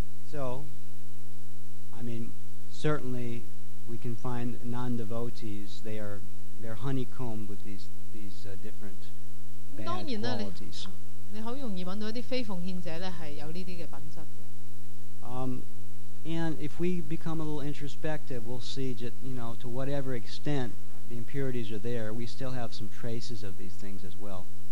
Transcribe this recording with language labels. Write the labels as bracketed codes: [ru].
[en] So, I mean, certainly we can find non-devotees, they're honeycombed with these different bad qualities. [zh] 你很容易找到一些非奉獻者是有這些品質的。 [en] And if we become a little introspective, we'll see that, you know, to whatever extent the impurities are there, we still have some traces of these things as well.